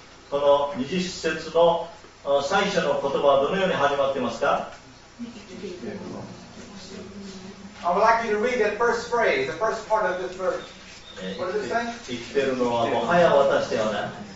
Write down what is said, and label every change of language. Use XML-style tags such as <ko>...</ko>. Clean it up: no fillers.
<ja>この20節の最初の言葉はどのように始まっていますか？</ja> <en>I would like you to read that first phrase, the first part of this verse. What does it say?</en> <ja>生きているのはもはや私ではない。</ja>